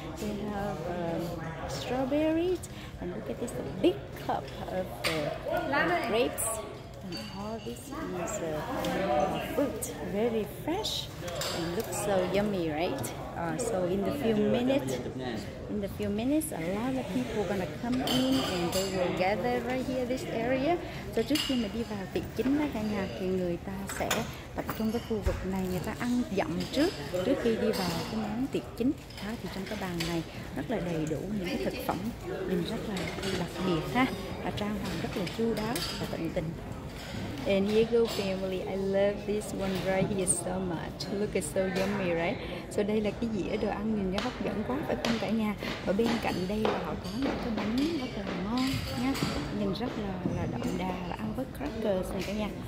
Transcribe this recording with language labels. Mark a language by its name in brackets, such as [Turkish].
[English] They have strawberries. And look at this, the big cup of the grapes. And all this is fruit, very fresh and looks so yummy, right? So in the few minutes, a lot of people are gonna come in and they will gather right here, this area. [Vietnamese] So trước khi mà đi vào tiệc chính đó cả nhà, thì người ta sẽ tập trung cái khu vực này, người ta ăn dặm trước khi đi vào cái món tiệc chính. Đó, thì trong cái bàn này rất là đầy đủ những cái thực phẩm, nhìn rất là đặc biệt ha, và trang hoàng rất là chu đáo và tận tình. [English] And here go family, I love this one right here so much. Look, it's so yummy, right? [Vietnamese] So đây là cái dĩa đồ ăn nhìn nó hấp dẫn quá phải không cả nhà? Và bên cạnh đây là họ có những cái bánh rất là ngon nha. Nhìn rất là đậm đà và ăn với crackers này cả nhà.